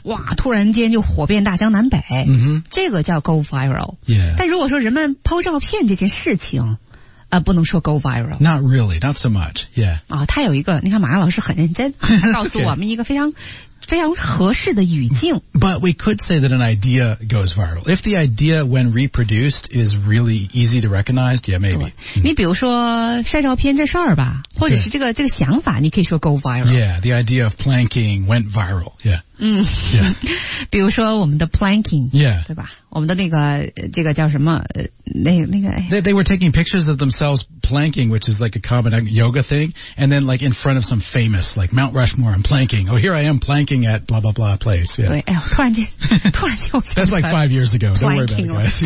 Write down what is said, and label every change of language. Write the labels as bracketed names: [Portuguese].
[Chinese] 哇突然间就火遍大江南北、 mm-hmm. 这个叫 [English] go viral、 yeah. [Chinese] 但如果说人们抛照片这件事情不能说 [English] go viral not really not so much、yeah. [Chinese] 啊，他有一个你看马老师很认真告诉我们一个非常非常合适的语境 [English] but we could say that an idea goes viral if the idea when reproduced is really easy to recognize yeah maybe、mm. [Chinese] 你比如说晒照片这事儿吧或者是这个想法你可以说 [English] go viral yeah the idea of planking went viral yeah [Chinese] yeah 比如说我们的 planking [English] yeah [Chinese] 对吧我们的那个这个叫什么那个 [English] they were taking pictures of themselves planking which is like a common yoga thing and then like in front of some famous like Mount Rushmore I'm planking oh here I am planking at blah blah blah place、yeah. [Chinese] 对、哎、突然间我 [English] that's like 5 years ago don't worry about it guys、yeah.